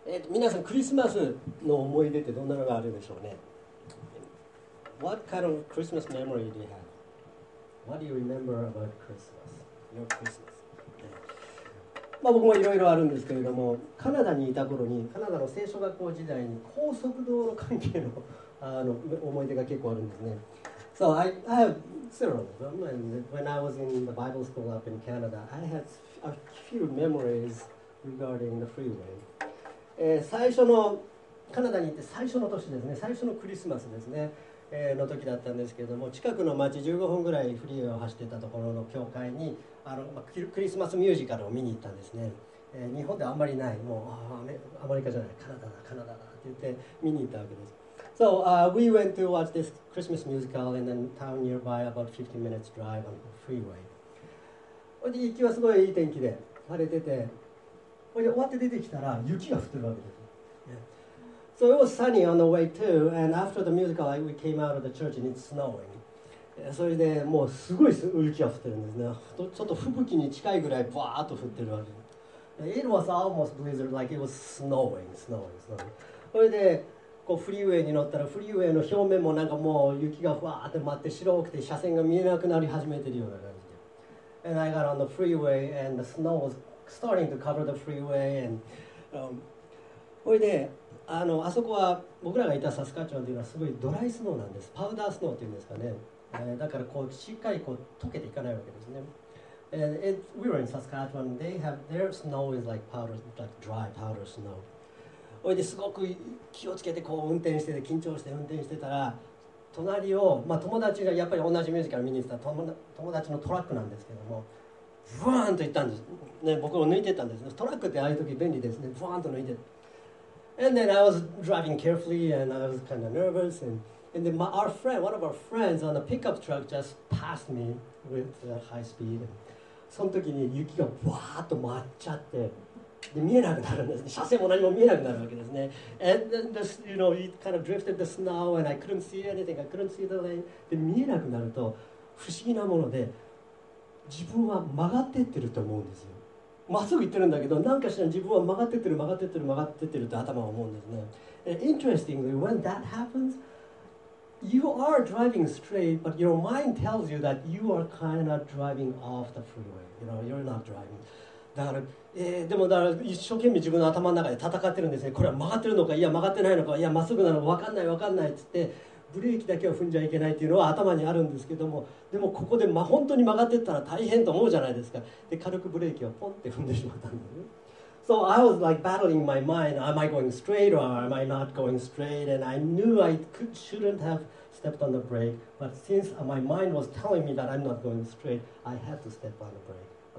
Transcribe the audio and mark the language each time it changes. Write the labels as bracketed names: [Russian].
[Japanese] 皆さん、クリスマスの思い出ってどんなのがあるでしょうね。 [English] What kind of Christmas memory do you have? What do you remember about Christmas? Your Christmas.、 [Japanese] まあ、僕もいろいろあるんですけれども、カナダにいた頃に、カナダの聖書学校時代に高速道路関係 の, あの思い出が結構あるんですね。 [English] So I have several of them, and when I was in the Bible school up in Canada, I had a few memories regarding the freeway. [Japanese] 最初のカナダに行って最初の年ですね、最初のクリスマスですね、の時だったんですけれども、近くの町15分ぐらいフリーウェイを走ってたところの教会にあの クリスマスミュージカルを見に行ったんですね、日本であんまりない、もうアメリカじゃない、カナダだカナダだって言って見に行ったわけです。 [English] So、we went to watch this Christmas musical in a town nearby about 15 minutes drive on the freeway。 [Japanese] 行きはすごいいい天気で晴れてて、終わって出てきたら雪が降ってるわけです。 [English] So it was sunny on the way too, and after the musical, we came out of the church and it's snowing. [Japanese] それでもうすごい雪が降ってるんですね。ちょっと吹雪に近いぐらいバーッと降ってるわけです。 [English] It was almost blizzard, like it was snowing, snowing, snowing. [Japanese] それでこうフリーウェイに乗ったら、フリーウェイの表面もなんかもう雪がふわーって舞って白くて車線が見えなくなり始めてるような感じで。 [English] And I got on the freeway and the snow was... Starting to cover the freeway and, [Japanese] それで あそこは僕らがいたサスカチワンというのはすごいドライスノーなんです。パウダースノーっていうんですかね。だからこうしっかりこう溶けていかないわけですね。 [English] We were in Saskatchewan. They have their snow is like powder, like dry powder snow. [Japanese] それですごく気をつけてこう運転してて、緊張して運転してたら、隣を、まあ、友達がやっぱり同じミュージカル見に行ってた友達のトラックなんですけども。ブワーンと行ったんです、ね、僕を抜いてったんです。トラックってああいう時便利ですね。ブワーンと抜いて。 [English] And then I was driving carefully and I was kind of nervous. And then my, our friend, one of our friends on the pickup truck just passed me with high speed. [Japanese] その時に雪がブワーッと舞っちゃって、で見えなくなるんですね。車線も何も見えなくなるわけですね。 [English] And then this, you know, it kind of drifted the snow and I couldn't see anything. I couldn't see the lane. [Japanese] で見えなくなると不思議なもので、自分は曲がってってると思うんですよ。まっすぐ行ってるんだけど、何かしら自分は曲がってってる、曲がってってる、曲がってってるって頭は思うんですね。 [English] Interestingly, when that happens, you are driving straight, but your mind tells you that you are kind of driving off the freeway. You know, you're not driving. [Japanese] だから、でもだから一生懸命自分の頭の中で戦ってるんですね。これは曲がってるのか、いや曲がってないのか、いやまっすぐなのか、わかんないわかんないっつって、ブレーキだけを踏んじゃいけないっていうのは頭にあるんですけども、でもここで、ま、本当に曲がってったら大変と思うじゃないですか。で軽くブレーキをポンって踏んでしまったんだよね。 [English] So I was like battling my mind. Am I going straight or am I not going straight? And I knew I could, shouldn't have stepped on the brake. But since my mind was telling me that I'm not going straight, I had to step on the brake.